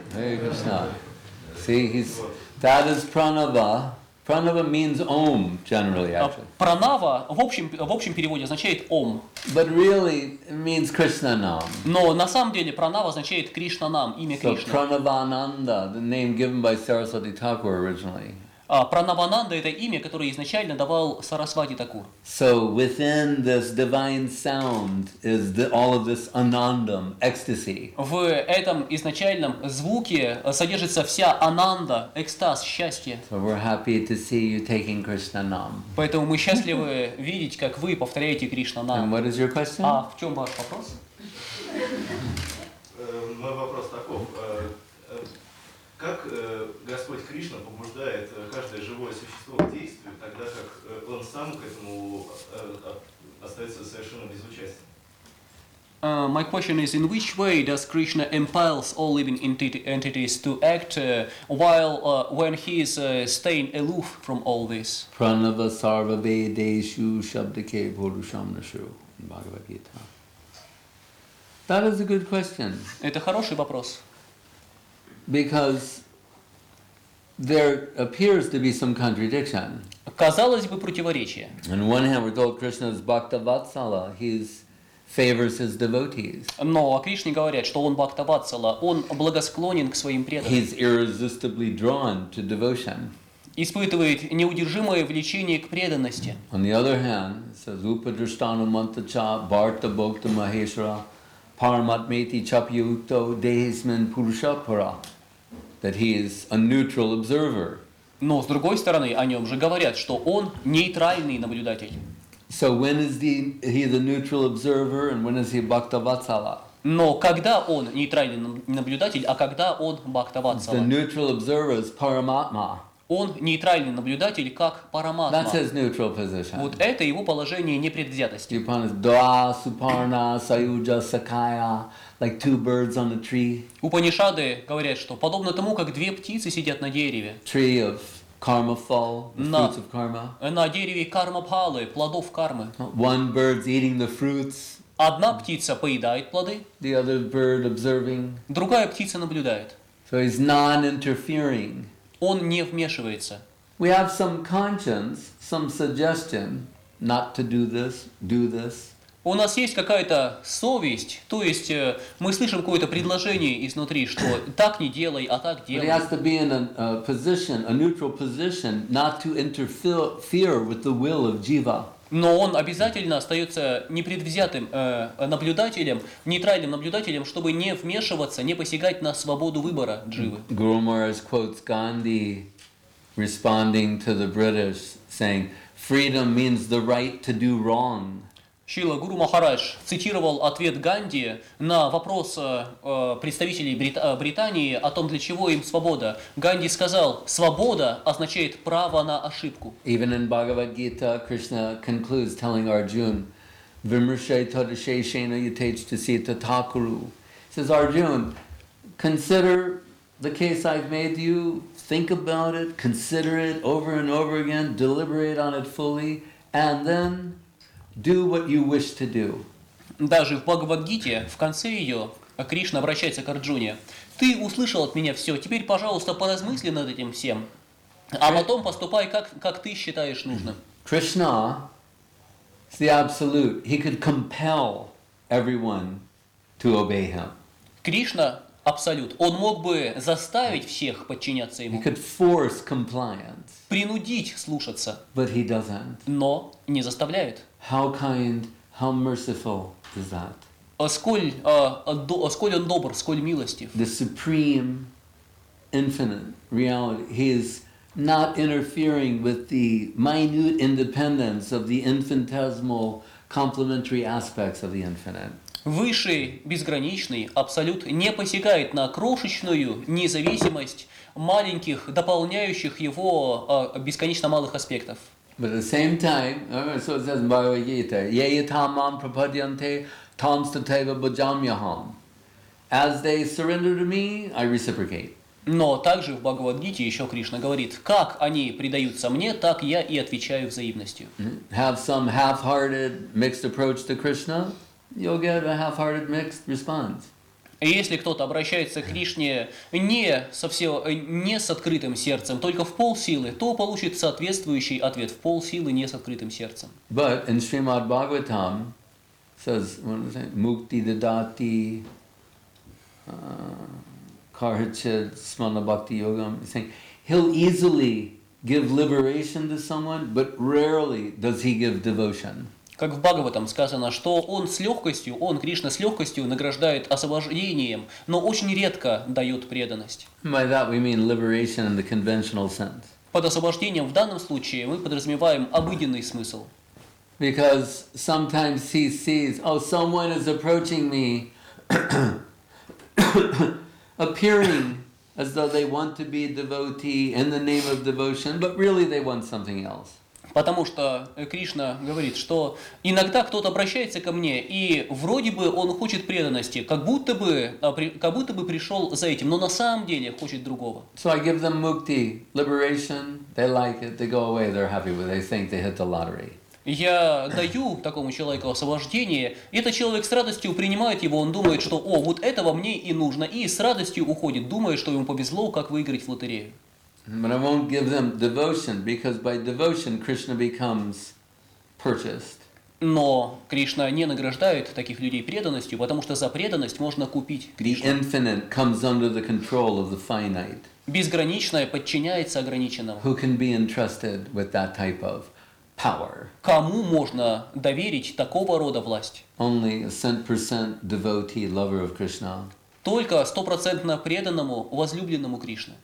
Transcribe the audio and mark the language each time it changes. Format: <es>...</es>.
<en>Jai! Hare Krishna. See, he's... That is Pranava. Pranava means om, generally, actually.</en> <ru>Pranava в общем переводе означает om.</ru> <en>But really, it means Krishna nam.</en> <ru>Но на самом деле Pranava означает Krishna nam, имя</ru> <en>so</en> <ru>Кришна.</ru> <en>So Pranavananda, the name given by Saraswati Thakur originally.</en> <ru>Пранавананда – это имя, которое изначально давал Сарасвати Такур.</ru> <en>So within this divine sound is the, all of this anandam, ecstasy.</en> <ru>В этом изначальном звуке содержится вся ананда, экстаз, счастье.</ru> <en>So we're happy to see you taking Krishna nam.</en> <ru>Поэтому мы счастливы видеть, как вы повторяете Кришна нам.</ru> <en>And what is your question?</en> <ru>А в чем ваш вопрос? Мой вопрос таков. Как Господь Кришна побуждает каждое живое существо к действию, тогда как он сам к этому остается совершенно безучастен?</ru> <en>My question is, in which way does Krishna impels all living entities to act while when he is staying aloof from all this?</en> <sa>Pranava sarva vedeshu shabdake purusham nashu</sa> <en>in Bhagavad Gita. That is a good question.</en> <ru>Это хороший вопрос.</ru> <en>Because there appears to be some contradiction.</en> <ru>Казалось бы, противоречие.</ru> <en>On one hand, we're told Krishna is Bhakta Vatsala, he favors his devotees.</en> <ru>Но о Кришне говорят, что он Бхакта Ватсала, он благосклонен к своим преданным.</ru> <en>He's irresistibly drawn to devotion.</en> <ru>Испытывает неудержимое влечение к преданности.</ru> <en>On the other hand, says</en> <sa>Upadrishtana Mantacha, Bharta Bhakta Maheshra, Paramatmeti Chapyuto Dehisman Purushapara.</sa> <en>That he is a neutral observer.</en> <ru>Но с другой стороны, о нем же говорят, что он нейтральный наблюдатель.</ru> <en>So when is he the neutral observer, and when is he Bhakta Vatsala?</en> <ru>Но когда он нейтральный наблюдатель, а когда он Бхакта Ватсала?</ru> <en>The neutral observer is Paramatma.</en> <ru>Он нейтральный наблюдатель, как Параматма.</ru> <en>That's his neutral position.</en> <ru>Вот это его положение непредвзятости.</ru> <sa>Dva suparna sayuja sakaya.</sa> <en>Like two birds on a tree.</en> <ru>Упанишады говорят, что подобно тому, как две птицы сидят на дереве.</ru> <en>Tree of karma fall, the fruits of karma.</en> <ru>На дереве кармапалы, плодов кармы.</ru> <en>One bird's eating the fruits.</en> <ru>Одна птица поедает плоды.</ru> <en>The other bird observing.</en> <ru>Другая птица наблюдает.</ru> <en>So he's non-interfering.</en> <ru>Он не вмешивается.</ru> <en>We have some conscience, some suggestion not to do this, do this.</en> <ru>У нас есть какая-то совесть, то есть мы слышим какое-то предложение изнутри, что так не делай, а так делай.</ru> <en>But he has to be in a position, a neutral position, not to interfere with the will of jiva.</en> <ru>Но он обязательно остается непредвзятым наблюдателем, нейтральным наблюдателем, чтобы не вмешиваться, не посягать на свободу выбора дживы.</ru> <en>Guru Maharaj quotes Gandhi, responding to the British, saying, "Freedom means the right to do wrong."</en> <ru>Шрила Гуру Махарадж цитировал ответ Ганди на вопрос представителей Британии о том, для чего им свобода. Ганди сказал, свобода означает право на ошибку.</ru> <en>Even in Bhagavad Gita, Krishna concludes telling Arjuna,</en> <sa>Vimrshay Tadashay Shena Yutech Tasita Thakuru.</sa> <en>He says, Arjuna, consider the case I've made you, think about it, consider it over and over again, deliberate on it fully, and then... Do what you wish to do.</en> <ru>Даже в Бхагавад-гите, в конце ее, Кришна обращается к Арджуне. Ты услышал от меня все, теперь, пожалуйста, поразмысли над этим всем, а потом поступай, как ты считаешь нужным.</ru> <en>Krishna is the absolute. He could compel everyone to obey him.</en> <ru>Кришна – абсолют. Он мог бы заставить всех подчиняться ему.</ru> <en>He could force compliance.</en> <ru>Принудить слушаться.</ru> <en>But he doesn't.</en> <ru>Но не заставляет.</ru> <en>How kind, how merciful is that?</en> <ru>Сколь он добр, сколь милостив.</ru> <en>The supreme, infinite reality. He is not interfering with the minute independence of the infinitesimal complementary aspects of the infinite.</en> <ru>Высший, безграничный абсолют не посягает на крошечную независимость маленьких, дополняющих его бесконечно малых аспектов.</ru> <en>But at the same time, so it says in Bhagavad Gita,</en> <sa>Yeyitamam prapadyante tamstateva bhajamyaham.</sa> <en>As they surrender to me, I reciprocate.</en> <ru>Но также в Бхагавад-гите еще Кришна говорит, как они предаются мне, так я и отвечаю взаимностью.</ru> <en>Have some half-hearted mixed approach to Krishna, you'll get a half-hearted mixed response.</en> <ru>И если кто-то обращается к Кришне не с открытым сердцем, только в полсилы, то получит соответствующий ответ в полсилы не с открытым сердцем.</ru> <en>But in Srimad Bhagavatam says, what is it?</en> <sa>Mukti dadati karhachit smana bhakti yogam.</sa> <en>He's saying he'll easily give liberation to someone, but rarely does he give devotion.</en> <ru>Как в Бхагаватам сказано, что он с легкостью, он, Кришна, с легкостью награждает освобождением, но очень редко дает преданность.</ru> <en>By that we mean liberation in the conventional sense.</en> <ru>Под освобождением в данном случае мы подразумеваем обыденный смысл.</ru> <en>Because sometimes he sees, oh, someone is approaching me, appearing as though they want to be a devotee in the name of devotion, but really they want something else.</en> <ru>Потому что Кришна говорит, что иногда кто-то обращается ко мне, и вроде бы он хочет преданности, как будто бы пришел за этим, но на самом деле хочет другого.</ru> <en>So I give them mukti, liberation, they like it, they go away, they're happy, but they think they hit the lottery.</en> <ru>Я даю такому человеку освобождение, этот человек с радостью принимает его, он думает, что «О, вот этого мне и нужно», и с радостью уходит, думая, что ему повезло, как выиграть в лотерею.</ru> <en>But I won't give them devotion, because by devotion Krishna becomes purchased.</en> <ru>Но Кришна не награждает таких людей преданностью, потому что за преданность можно купить Кришну.</ru> <en>The infinite comes under the control of the finite.</en> <ru>Безграничное подчиняется ограниченному.</ru> <en>Who can be entrusted with that type of power?</en> <ru>Кому можно доверить такого рода власть?</ru> <en>Only a 100% devotee, lover of Krishna.</en> <ru>Только 100% преданному, возлюбленному Кришне.</ru>